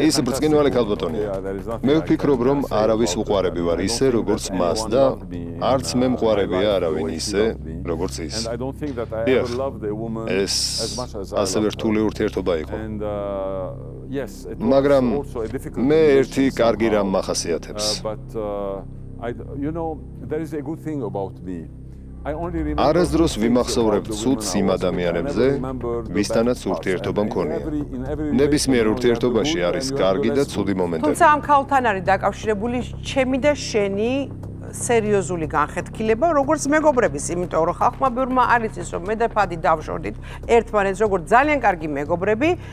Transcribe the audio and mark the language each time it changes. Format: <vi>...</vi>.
<ka>ის ბრწყინვალე ქალბატონია. მე ვფიქრობ, რომ არავის უყვარები ვარ ისე, როგორც მას და არც მე მყვარებია არავინ ისე, როგორც ის. Yeah, ეს ასევე რთული ურთიერთობა იყო.</ka> <en>And yes, it was.</en> <ka>მაგრამ მე ერთი კარგი რამ მახასიათებს.</ka> <en>But you know, there is a good thing about me. I only remember</en> <ka>არასდროს ვიმახსოვრებ ცუდს იმ ადამიანებზე, ვისთანაც ურთიერთობა მქონია. ნებისმიერ ურთიერთობაში არის კარგი და ცუდი მომენტები. თუმცა ამ ქალთან არის დაკავშირებული ჩემი და შენი სერიოზული განხეთქილება, როგორც მეგობრების, იმიტომ რომ ხალხმა ბევრმა არის ის, რომ მე და ფადი დავშორდით ერთმანეთს, როგორც ძალიან კარგი მეგობრები.</ka>